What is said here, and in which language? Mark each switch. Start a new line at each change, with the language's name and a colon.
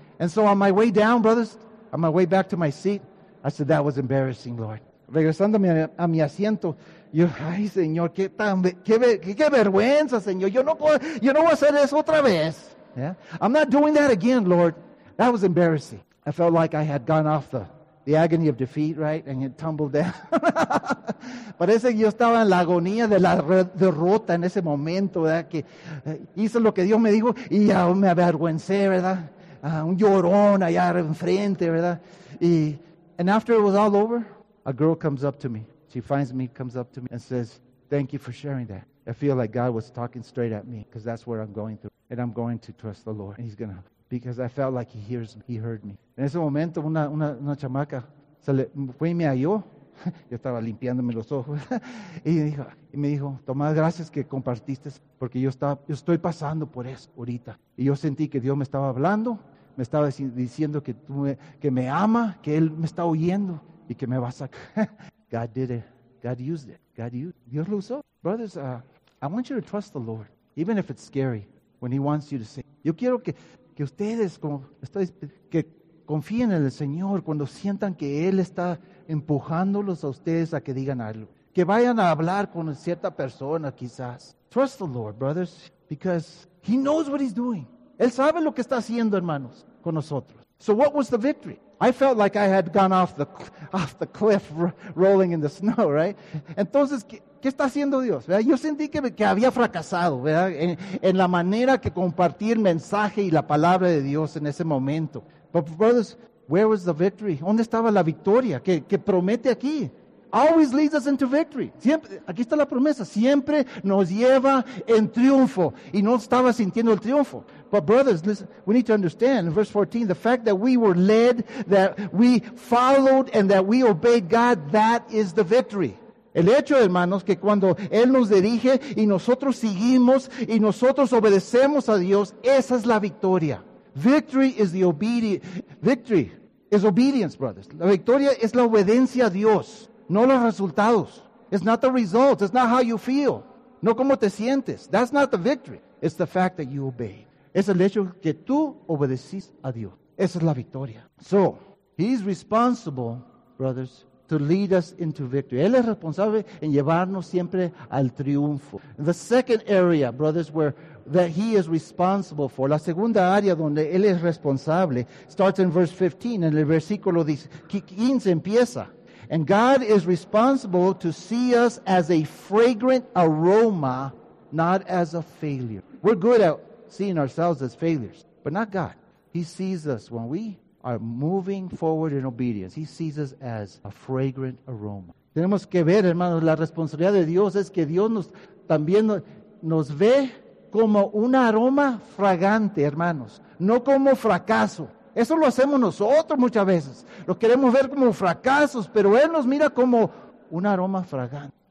English: And so on my way down, brothers, on my way back to my seat, I said, that was embarrassing, Lord.
Spanish: Regresándome a mi asiento, yo, ay, Señor, qué vergüenza, Señor. Yo no voy a hacer eso otra vez.
English: Yeah. I'm not doing that again, Lord. That was embarrassing. I felt like I had gone off the agony of defeat, right? And it tumbled down.
Spanish: Parece que yo estaba en la agonía de la derrota en ese momento, ¿verdad? Que hice lo que Dios me dijo y ya me avergüencé, ¿verdad? Un llorón allá enfrente, ¿verdad?
English: And after it was all over, a girl comes up to me. She finds me, comes up to me and says, thank you for sharing that. I feel like God was talking straight at me because that's what I'm going through. And I'm going to trust the Lord. And he's going to... Because I felt like he heard me.
Spanish: En ese momento, una chamaca fue y me halló. Yo estaba limpiándome los ojos. Y me dijo, Tomás, gracias que compartiste, porque yo estoy pasando por eso ahorita. Y yo sentí que Dios me estaba hablando, me estaba diciendo que me ama, que Él me está oyendo y que me va a sacar.
English: God did it. God used it.
Spanish: Dios lo usó.
English: Brothers, I want you to trust the Lord, even if it's scary, when he wants you to sing.
Spanish: Yo quiero que ustedes, como estoy, que confíen en el Señor cuando sientan que Él está empujándolos a ustedes a que digan algo. Que vayan a hablar con cierta persona, quizás.
English: Trust the Lord, brothers, because he knows what he's doing.
Spanish: Él sabe lo que está haciendo, hermanos, con nosotros.
English: So what was the victory? I felt like I had gone off the cliff rolling in the snow, right?
Spanish: Entonces, ¿qué está haciendo Dios? ¿Verdad? Yo sentí que había fracasado, ¿verdad? En la manera que compartí el mensaje y la palabra de Dios en ese momento.
English: But brothers, where was the victory?
Spanish: ¿Dónde estaba la victoria que promete aquí?
English: Always leads us into victory.
Spanish: Siempre, aquí está la promesa. Siempre nos lleva en triunfo. Y no estaba sintiendo el triunfo.
English: But brothers, listen, we need to understand, verse 14, the fact that we were led, that we followed, and that we obeyed God, that is the victory.
Spanish: El hecho, hermanos, que cuando Él nos dirige y nosotros seguimos y nosotros obedecemos a Dios, esa es la victoria.
English: Victory is the obedience. Victory is obedience, brothers.
Spanish: La victoria es la obediencia a Dios. No los resultados.
English: It's not the results. It's not how you feel.
Spanish: No como te sientes.
English: That's not the victory. It's the fact that you obey.
Spanish: Es el hecho que tú obedeces a Dios. Esa es la victoria.
English: So, he's responsible, brothers, to lead us into victory.
Spanish: Él es responsable en llevarnos siempre al triunfo.
English: The second area, brothers, where that he is responsible for.
Spanish: La segunda área donde él es responsable
English: starts in verse 15.
Spanish: En el versículo 15 empieza.
English: And God is responsible to see us as a fragrant aroma, not as a failure. We're good at seeing ourselves as failures, but not God. He sees us when we are moving forward in obedience. He sees us as a fragrant aroma.
Spanish: Tenemos que ver, hermanos, la responsabilidad de Dios es que Dios también nos ve como un aroma fragante, hermanos, no como fracaso. Eso lo hacemos nosotros muchas veces. Lo queremos ver como fracasos, pero Él nos mira como un aroma fragante.